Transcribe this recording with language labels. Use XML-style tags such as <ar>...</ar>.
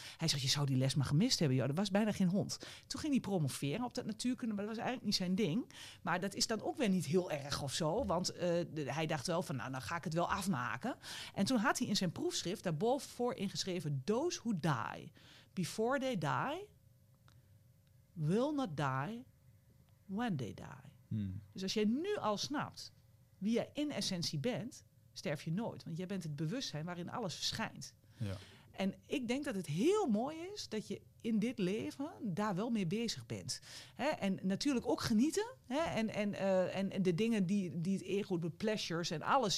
<nl>Hij zegt, je zou die les maar gemist hebben. Joh, er was bijna geen hond. Toen ging hij promoveren op dat natuurkunde. Maar dat was eigenlijk niet zijn ding. Maar dat is dan ook weer niet heel erg of zo. Want hij dacht wel van, nou, dan ga ik het wel afmaken. En toen had hij in zijn proefschrift daarboven voor ingeschreven,</nl> <en>those who die... Before they die, will not die when they die.</en> <nl>Dus als jij nu al snapt wie jij in essentie bent, sterf je nooit. Want jij bent het bewustzijn waarin alles verschijnt. Ja. En ik denk dat het heel mooi is dat je in dit leven daar wel mee bezig bent. Hè? En natuurlijk ook genieten. Hè? En de dingen die het ego, de pleasures en alles.</nl>